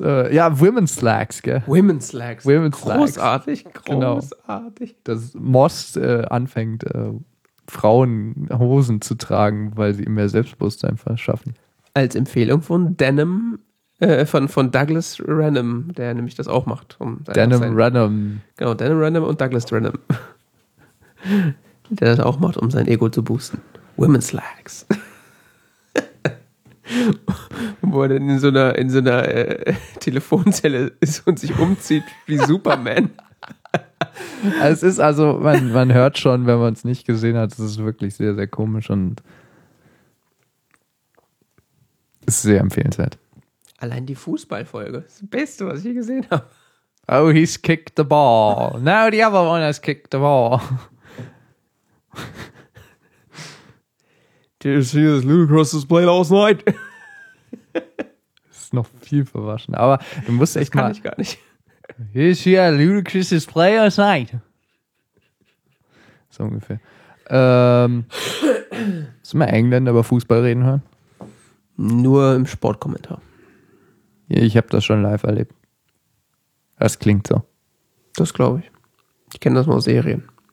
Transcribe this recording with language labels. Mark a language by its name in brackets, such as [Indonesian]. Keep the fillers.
[German] äh, ja, Women's Slacks, gell? Women's Slacks. Women's großartig, Slacks. großartig. Genau. Dass Moss äh, anfängt, äh, Frauen Hosen zu tragen, weil sie mehr Selbstbewusstsein verschaffen. Als Empfehlung von Denim, äh, von, von Douglas Random, der nämlich das auch macht. Um Denim Random. Genau, Denim Random und Douglas Random. der das auch macht, um sein Ego zu boosten. Women's Lags. Wo er dann in so einer, in so einer äh, Telefonzelle ist und sich umzieht wie Superman. es ist also, man, man hört schon, wenn man es nicht gesehen hat, es ist wirklich sehr, sehr komisch und ist sehr empfehlenswert. Allein die Fußballfolge. Das, das Beste, was ich je gesehen habe. [English] Oh, he's kicked the ball. Now the other one has kicked the ball. Did you see this ludicrous display last night? [German] ist noch viel verwaschen, aber du musst echt das kann mal. gar nicht. [English] Did you see a ludicrous display last night? [German] So ungefähr. Ähm, sind wir Engländer über Fußball reden hören? Nur im Sportkommentar. Ich habe das schon live erlebt. Das klingt so. Das glaube ich. Ich kenne das nur aus Serien